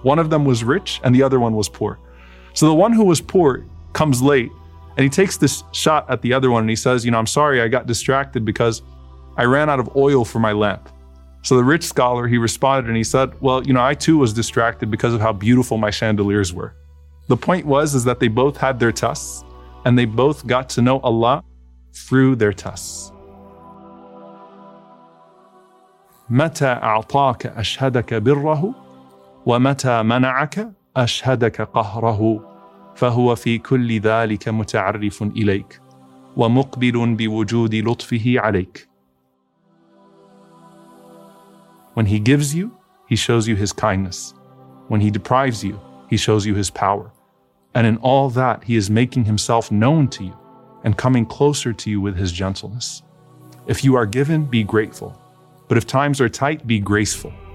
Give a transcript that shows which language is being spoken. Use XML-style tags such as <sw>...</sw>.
<en>One of them was rich and the other one was poor. So the one who was poor comes late and he takes this shot at the other one and he says, "You know, I'm sorry, I got distracted because I ran out of oil for my lamp." So the rich scholar, he responded and he said, "Well, you know, I too was distracted because of how beautiful my chandeliers were." The point was, is that they both had their tests and they both got to know Allah through their tests.</en> <ar>متى أعطاك أشهدك بره ومتى منعك أشهدك قهره، فهو في كل ذلك متعرف إليك ومقبل بوجود لطفه عليك.</ar> <en>When he gives you, he shows you his kindness. When he deprives you, he shows you his power. And in all that, he is making himself known to you and coming closer to you with his gentleness. If you are given, be grateful. But if times are tight, be graceful.</en>